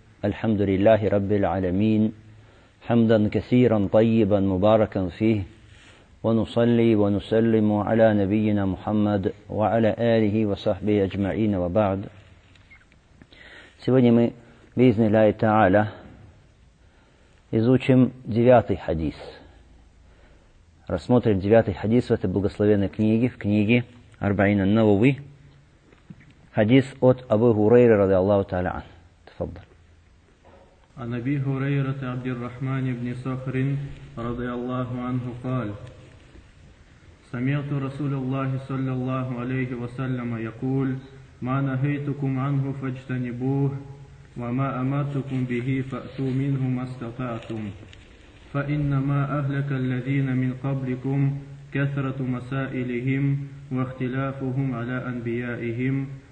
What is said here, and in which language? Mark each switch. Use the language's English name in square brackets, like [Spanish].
[Arabic] الحمد لله رب العالمين، حمدا كثيرا طيبا مباركا فيه، ونصلي ونسلم على نبينا محمد وعلى آله وصحبه أجمعين، وبعد. [Russian] Сегодня мы [Arabic] بإذن الله تعالى [Russian] изучим девятый хадис. Рассмотрим девятый хадис в этой благословенной книге, в книге Арбаин ан-Навави. [Arabic] حديث [Russian] от [Arabic] أبو هريرة رضي الله تعالى عنه. تفضل. عن أبي هريرة عبد الرحمن بن صخر رضي الله عنه قال: سمعت رسول الله صلى الله عليه وسلم يقول: ما نهيتكم عنه فاجتنبوه، وما أمرتكم به فأتوا منه ما استطعتم، فإنما أهلك الذين من قبلكم كثرة مسائلهم واختلافهم على أنبيائهم.